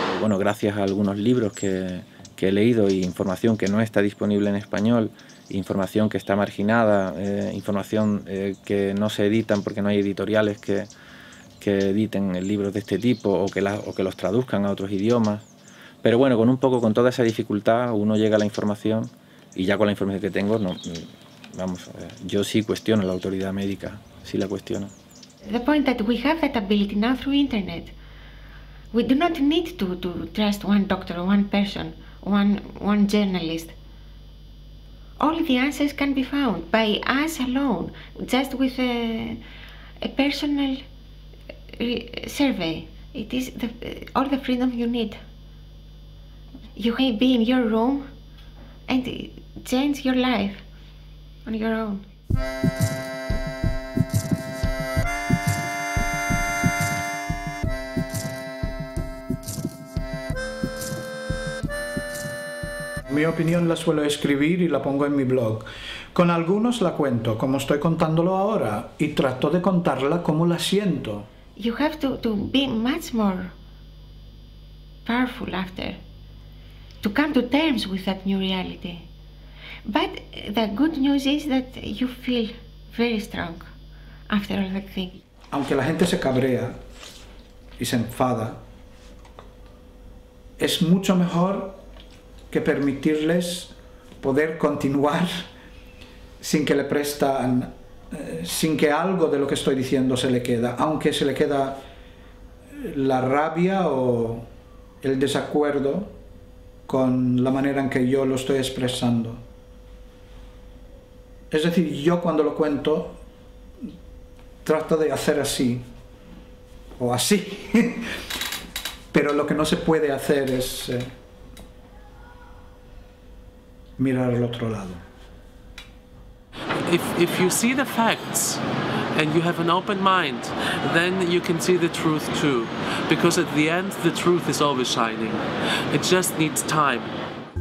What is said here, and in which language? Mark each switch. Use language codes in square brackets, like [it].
[es] Bueno, gracias a algunos libros que he leído y información que no está disponible en español, información que está marginada, información que no se editan porque no hay editoriales que editen libros de este tipo o que los traduzcan a otros idiomas. Pero bueno, con un poco, con toda esa dificultad, uno llega a la información y ya con la información que tengo, no, vamos, yo sí cuestiono la autoridad médica, sí la cuestiono. [en] The point that we have that ability now through internet, we do not need to trust one doctor, one person, one journalist. All the answers can be found by us alone, just with a personal survey. It is all the freedom you need. You can be in your room and change your life on your own. [es] Mi opinión la suelo escribir y la pongo en mi blog. Con algunos la cuento, como estoy contándolo ahora, y trato de contarla como la siento. [en] You have to be much more powerful after, to come to terms with that new reality. But the good news is that you feel very strong after all that thing. [es] Aunque la gente se cabrea y se enfada, es mucho mejor que permitirles poder continuar sin que le prestan, sin que algo de lo que estoy diciendo se le queda, aunque se le queda la rabia o el desacuerdo con la manera en que yo lo estoy expresando. Es decir, yo cuando lo cuento trato de hacer así o así, pero lo que no se puede hacer es mirar al otro lado. [en] If you see the facts and you have an open mind, then you can see the truth too. Because at the end, the truth is always shining. It just needs time.